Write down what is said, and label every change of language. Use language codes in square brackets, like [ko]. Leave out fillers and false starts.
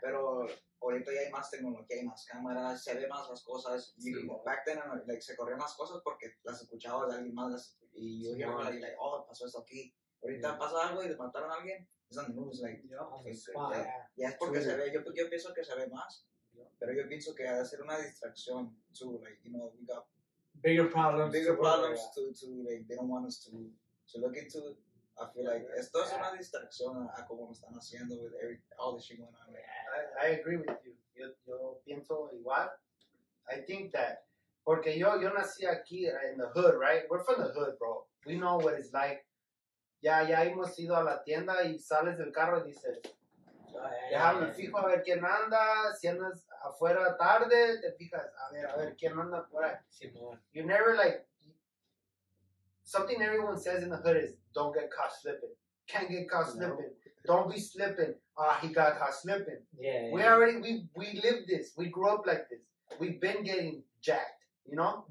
[es] Pero ahorita ya hay más tecnología, hay más cámaras, se ve más las cosas. Sí. Y como [en] back then, like, [es] se corrían más cosas porque las escuchaba de alguien más. Y yo ya hablaba y, like, oh, pasó esto aquí. Ahorita pasa algo y le mataron a alguien. [en] It's on the news, like, yeah. [es] Es porque se ve, yo pienso que se ve más. Pero yo pienso que ha de ser una distracción [en] too, like, you know, we got bigger problems to like, they don't want us to look into. I feel like [es] esto es una distracción a como lo están haciendo [en] with all the shit going on. Yeah, I agree with you. [es] Yo pienso igual. [en] I think that [es] porque yo nací aquí [en] in the hood, right? We're from the hood, bro. We know what it's like. [es] Ya hemos ido a la tienda y sales del carro y dices, déjame fijo a ver quién anda, si andas afuera tarde, te fijas, a ver quién anda por ahí. Sí, [en] you never, like, something everyone says in the hood is, don't get caught slipping, can't get caught slipping, don't be slipping, he got caught slipping. Yeah. We live this, we grew up like this, we've been getting jacked, you know?